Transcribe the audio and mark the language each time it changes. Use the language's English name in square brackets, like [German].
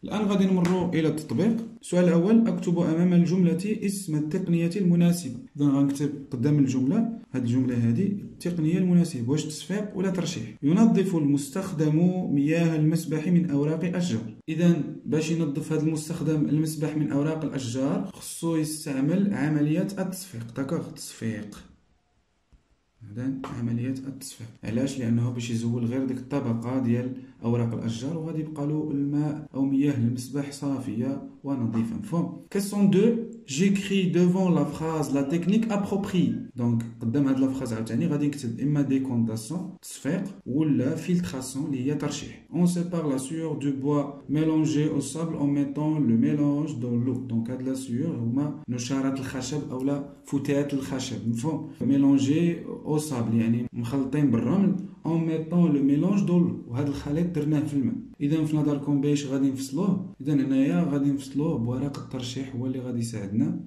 [Arabic] الان غادي نمروا الى التطبيق. السؤال الاول، اكتب امام الجمله اسم التقنيه المناسبه، اذا غنكتب قدام الجمله هذه الجمله، هذه التقنيه المناسبه، واش تصفيق ولا ترشيح؟ ينظف المستخدم مياه المسبح من اوراق اشجار، اذا باش ينظف هذا المستخدم المسبح من اوراق الاشجار خصو يستعمل عمليه التصفيق، داكوغ التصفيق، هذا عمليه التصفيق، علاش؟ لانه باش يزول غير ديك الطبقه ديال اوراق الاشجار وغادي يبقى له الماء او مياه المسبح صافيه ونظيفه، مفهوم؟ كيسيون 2، [French] J'écris devant la phrase la technique appropriée. [Arabic] Donc, قدام هاد لا فراز عاوتاني غادي نكتب اما ديكونتاسيون تصفيق ولا فيلتراسيون اللي هي ترشيح. [French] On sépare la sueur du bois mélangé au sable en mettant le mélange dans l'eau. [Arabic] Donc, هاد لا سيور هما نشارات الخشب او لا فتات الخشب مفهوم [French] mélangé au sable [Arabic] يعني مخلطين بالرمل [French] en mettant le mélange dans l'eau [Arabic] وهاد الخليط درناه في الماء. اذا في نظركم باش غادي نفصلوه؟ اذا هنايا غادي نفصلوه بورق الترشيح هو اللي غادي يساعدنا.